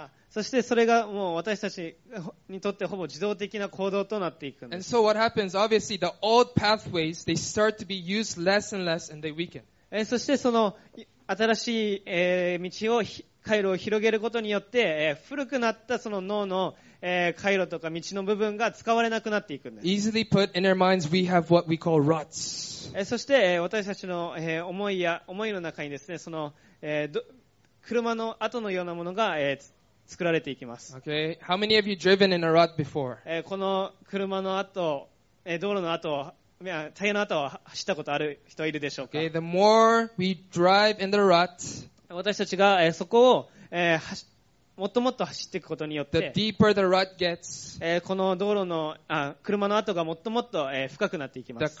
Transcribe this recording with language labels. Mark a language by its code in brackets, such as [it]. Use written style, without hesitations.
[ja] そしてそれがもう私たちにとってほぼ自動的な行動となっていくんです。 [en] And so what happens, obviously, the old pathways, they start to be used less and less and they weaken. [ja] そしてその新しい道を、回路を広げることによって、古くなったその脳の回路とか道の部分が使われなくなっていくんです。 [en] Easily put, in our minds, we have what we call ruts. [ja] そして私たちの思いの中にですね、その、車の跡のようなものが、作られていきます。 [en] Okay. How many have you driven in a rut before? [ja] この車の跡、道路の跡、いや、タイヤの跡を走ったことある人はいるでしょうか。 [en] Okay. The more we drive in the rut, [ja] 私たちが、そこを、もっともっと走っていくことによって、 [en] the deeper the rut gets, [ja] この道路の、車の跡がもっともっと、深くなっていきます。